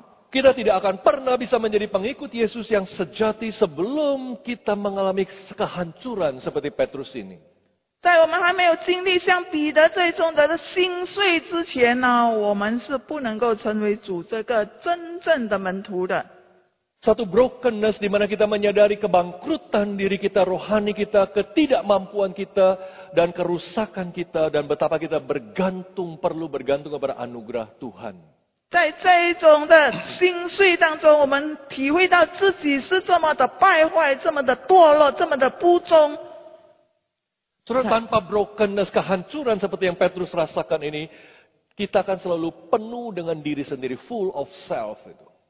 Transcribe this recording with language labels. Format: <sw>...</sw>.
<id>kita tidak akan pernah bisa menjadi pengikut Yesus yang sejati sebelum kita mengalami kehancuran seperti Petrus ini.</id> <zh>在我们还没有经历像彼得这种的心碎之前呢，我们是不能够成为主这个真正的门徒的。</zh> <id>Satu brokenness di mana kita menyadari kebangkrutan diri kita, rohani kita, ketidakmampuan kita, dan kerusakan kita, dan betapa kita bergantung, perlu bergantung kepada anugerah Tuhan.</id> <zh>在这种的心碎当中，我们体会到自己是这么的败坏，这么的堕落，这么的不忠。</zh> <id>Saudara, tanpa brokenness, kehancuran seperti yang Petrus rasakan ini, kita akan selalu penuh dengan diri sendiri,</id> <en>full of self</en> <id>itu.</id>